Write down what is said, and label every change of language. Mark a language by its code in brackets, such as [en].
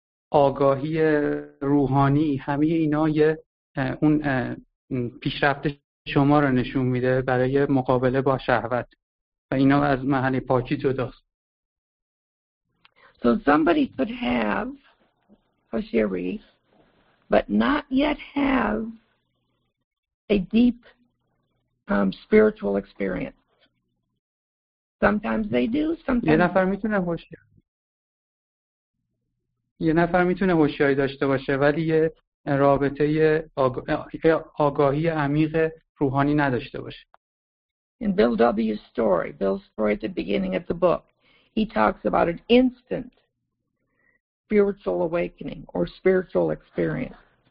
[fa] آگاهی روحانی، همه اینا یه اون پیشرفت شما رو نشون میده برای مقابله با شهوت و اینا از محل پاکی جداست. [en] So somebody could have hoshiari but not yet have a deep spiritual experience. Sometimes they do, sometimes [fa] یه نفر میتونه هوشیاری داشته باشه ولی یه رابطه آگاهی عمیق روحانی نداشته باشه. [en] In Bill W.'s story, Bill's story at the beginning of the book, he talks about an instant spiritual awakening or spiritual experience.